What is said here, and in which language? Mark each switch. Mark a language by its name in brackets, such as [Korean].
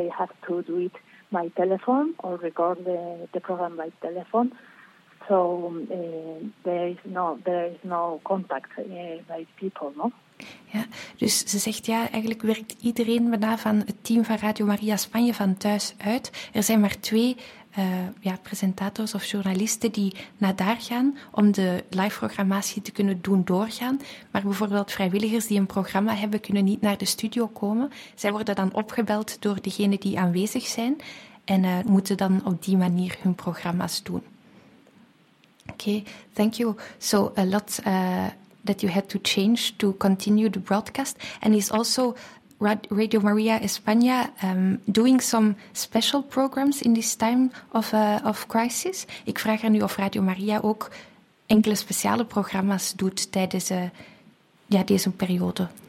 [English] They have to do it by telephone or record the program by telephone. So there is no contact by people, no? [Dutch] Ja, dus ze zegt ja, eigenlijk werkt iedereen bijna van het team van Radio Maria Spanje van thuis uit. Er zijn maar twee presentators of journalisten die naar daar gaan om de live programmatie te kunnen doen doorgaan. Maar bijvoorbeeld vrijwilligers die een programma hebben kunnen niet naar de studio komen. Zij worden dan opgebeld door degenen die aanwezig zijn en moeten dan op die manier hun programma's doen. [English] Oké, thank you. So a lot that you had to change to continue the broadcast. And is also Radio Maria España doing some special programs in this time of crisis? [Dutch] Ik vraag haar nu of Radio Maria ook enkele speciale programma's doet tijdens deze periode.